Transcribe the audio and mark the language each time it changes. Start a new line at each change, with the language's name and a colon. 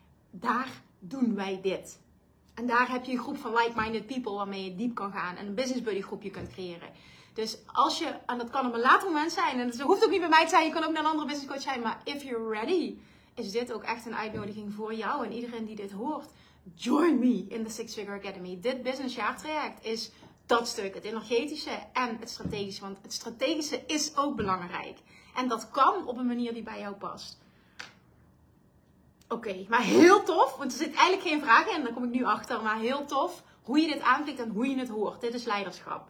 Dutch: Daar doen wij dit. En daar heb je een groep van
English: like-minded people
Dutch: waarmee je diep kan gaan. En een business buddy groepje kunt creëren. Dus als je, en dat kan op een later moment zijn. En dat hoeft ook niet bij mij te zijn. Je kan ook naar een andere business coach zijn. Maar
English: if you're ready,
Dutch: is dit ook echt een uitnodiging voor jou en iedereen die dit hoort.
English: Join me in the Six Figure Academy.
Dutch: Dit business jaar traject is dat stuk. Het energetische en het strategische. Want het strategische is ook belangrijk. En dat kan op een manier die bij jou past. Oké, maar heel tof. Want er zit eigenlijk geen vraag in. Daar kom ik nu achter. Maar heel tof hoe je dit aanklikt en hoe je het hoort. Dit is leiderschap.